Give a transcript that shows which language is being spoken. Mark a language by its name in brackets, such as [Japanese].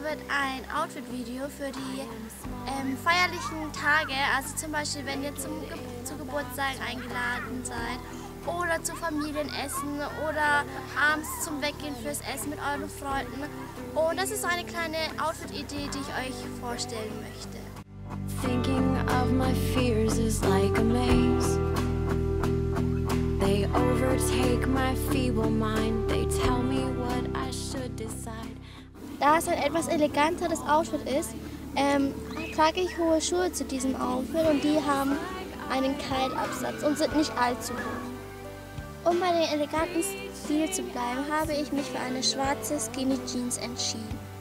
[German] ein Outfit-Video für die feierlichen Tage. Also zum Beispiel, wenn ihr zu Geburtstag eingeladen seid oder zu Familienessen oder abends zum Weggehen fürs Essen mit euren Freunden. Und das ist so eine kleine Outfit-Idee, die ich euch vorstellen möchte. [English] Thinking of my fears is like a maze. They overtake my feeble mind. They tell me what I should decide. [German] Da es ein etwas eleganteres Outfit ist, trage ich hohe Schuhe zu diesem Outfit und die haben einen Keilabsatz und sind nicht allzu hoch. Um bei dem eleganten Stil zu bleiben, habe ich mich für eine schwarze Skinny Jeans entschieden.